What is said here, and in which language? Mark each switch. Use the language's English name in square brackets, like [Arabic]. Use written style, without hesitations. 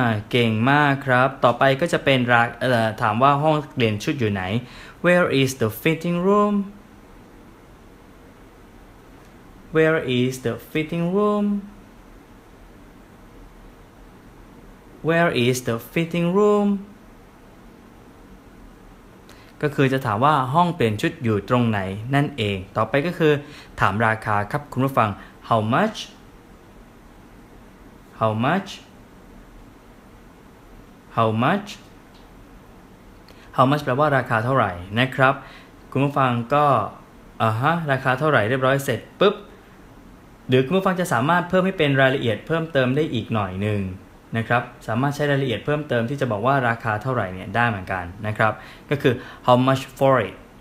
[Thai] เก่งมากครับต่อไปก็จะเป็นถามว่าห้องเรียนชุดอยู่ไหน [English] Where is the fitting roomWhere is the fitting room? Where is the fitting room? [Thai] ก็คือจะถามว่าห้องเปลี่ยนชุดอยู่ตรงไหนนั่นเองต่อไปก็คือถามราคาครับคุณผู้ฟัง [English] How much? How much? How much? How much [Thai] แปลว่าราคาเท่าไหร่นะครับคุณผู้ฟังก็ฮะราคาเท่าไหร่เรียบร้อยเสร็จปุ๊บหรือคุณผู้ฟังจะสามารถเพิ่มให้เป็นรายละเอียดเพิ่มเติมได้อีกหน่อยหนึ่งนะครับสามารถใช้รายละเอียดเพิ่มเติมที่จะบอกว่าราคาเท่าไหร่เนี่ยได้เหมือนกันนะครับก็คือ [English] how much for it